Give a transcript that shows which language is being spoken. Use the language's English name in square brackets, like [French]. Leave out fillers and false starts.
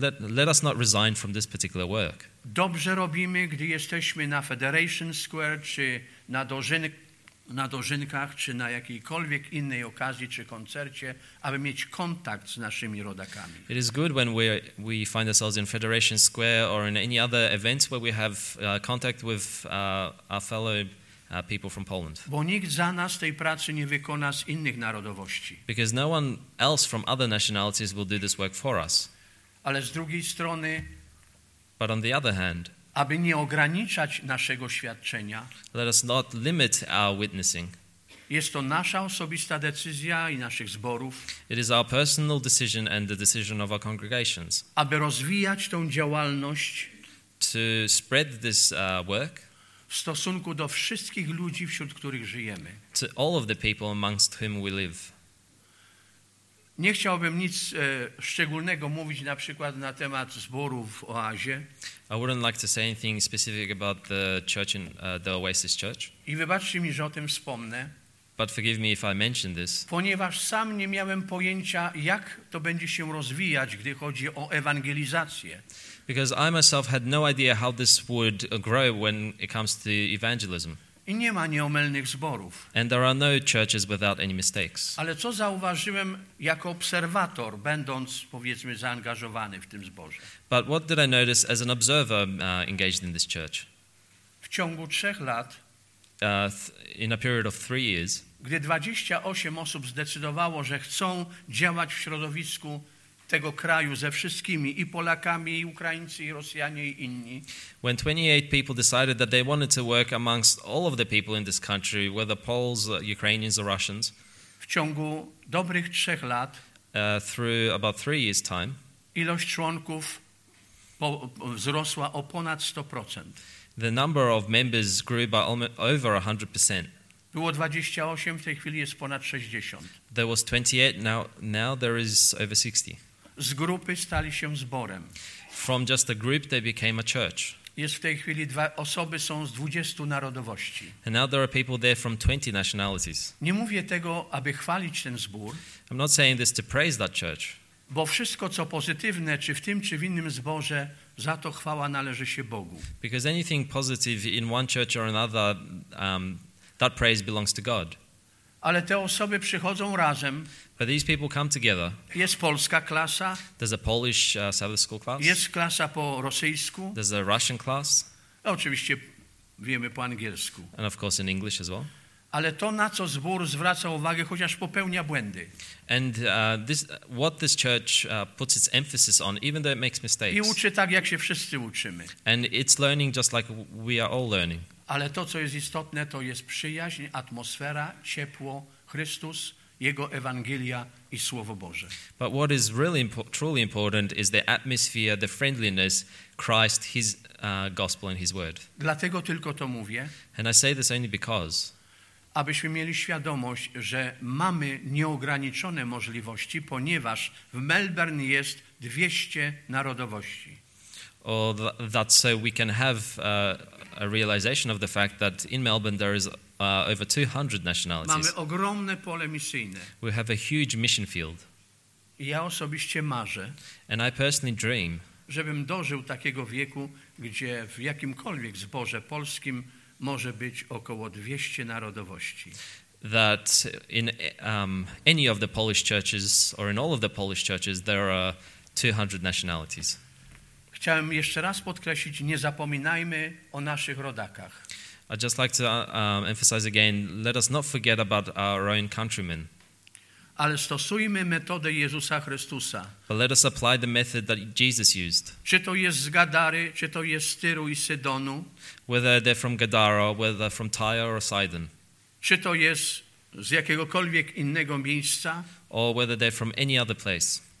[English] Let us not resign from this particular work. [Polish] Dobrze robimy, gdy jesteśmy na Federation Square czy na dożynkach, czy na jakiejkolwiek innej okazji, czy koncercie, aby mieć kontakt z naszymi rodakami. [English] It is good when we find ourselves in Federation Square or in any other events where we have contact with our fellow people from Poland. [Polish] Bo nikt za nas tej pracy nie wykona z innych narodowości. [English] Because no one else from other nationalities will do this work for us. [Polish] Ale z drugiej strony, [English] but on the other hand, [Polish] aby nie ograniczać naszego świadczenia. [English] Let us not limit our witnessing. [Polish] Jest to nasza osobista decyzja i naszych zborów. [English] It is our personal decision and the decision of our congregations. [Polish] Aby rozwijać tą działalność. [English] To spread this work. [Polish] W stosunku do wszystkich ludzi, wśród których żyjemy. [English] To all of the people amongst whom we live. [Polish] Nie chciałbym nic szczególnego mówić na przykład na temat zboru w Oazie. [English] I wouldn't like to say anything specific about the church in the Oasis Church. [Polish] I wybaczcie mi, że o tym wspomnę. [English] But forgive me if I mention this. [Polish] Ponieważ sam nie miałem pojęcia, jak to będzie się rozwijać, gdy chodzi o ewangelizację. [English] Because I myself had no idea how this would grow when it comes to evangelism. [Polish] I nie ma nieomylnych zborów. [English] And there are no churches without any mistakes. [Polish] Ale co zauważyłem jako obserwator, będąc, powiedzmy, zaangażowany w tym zborze? [English] But what did I notice as an observer engaged in this church? [Polish] W ciągu trzech lat, [English] in a period of 3 years, [Polish] gdy 28 osób zdecydowało, że chcą działać w środowisku tego kraju ze wszystkimi, i Polakami, i Ukraińcy, i Rosjanie, i inni. [English] When 28 people decided that they wanted to work amongst all of the people in this country, whether Poles, Ukrainians, or Russians, [Polish] w ciągu dobrych trzech lat, [English] through about 3 years' time, [Polish] ilość członków wzrosła o ponad 100%. [English] The number of members grew by over 100%. [Polish] Było 28, w tej chwili jest ponad 60. [English] There was 28, now there is over 60. [Polish] Z grupy stali się zborem. [English] From just a group they became a church. [Polish] Jest w tej chwili dwa osoby są z 20 narodowości. [English] And now there are people there from 20 nationalities. [Polish] Nie mówię tego, aby chwalić ten zbór. [English] I'm not saying this to praise that church. [Polish] Bo wszystko, co pozytywne, czy w tym, czy w innym zborze, za to chwała należy się Bogu. [English] Because anything positive in one church or another, that praise belongs to God. [Polish] Ale te osoby przychodzą razem. [English] But these people come together. [Polish] Jest polska klasa. [English] There's a Polish Sabbath school class. [Polish] Jest klasa po rosyjsku. [English] There's a Russian class. [Polish] Oczywiście wiemy po angielsku. [English] And of course in English as well. [Polish] Ale to, na co zbór zwraca uwagę, chociaż popełnia błędy. [English] And what this church puts its emphasis on, even though it makes mistakes. [Polish] I uczy tak, jak się wszyscy uczymy. [English] And it's learning just like we are all learning. [Polish] Ale to, co jest istotne, to jest przyjaźń, atmosfera, ciepło, Chrystus, Jego Ewangelia i Słowo Boże. [English] But what is really truly important is the atmosphere, the friendliness, Christ, His gospel and His word. [Polish] Dlatego tylko to mówię. [English] And I say this only because. [Polish] Abyśmy mieli świadomość, że mamy nieograniczone możliwości, ponieważ w Melbourne jest 200 narodowości. [English] That so we can have a realization of the fact that in Melbourne there is over 200 nationalities. [Polish] Mamy ogromne pole misyjne. [English] We have a huge mission field. [Polish] Ja osobiście marzę. [English] And I personally dream. [Polish] Żebym dożył takiego wieku, gdzie w jakimkolwiek zborze polskim może być około 200 narodowości. [English] That in any of the Polish churches or in all of the Polish churches there are 200 nationalities. [Polish] Chciałem jeszcze raz podkreślić, nie zapominajmy o naszych rodakach. [English] I'd just like to emphasize again, let us not forget about our own countrymen. [Polish] Ale stosujmy metodę Jezusa Chrystusa. [English] But let us apply the method that Jesus used. [Polish] Czy to jest z Gadary, czy to jest z Tyru i Sydonu. [English] Whether they're from Gadara, whether from Tyre or Sidon. [Polish] Czy to jest z jakiegokolwiek innego miejsca. [English] Or whether they're from any other place.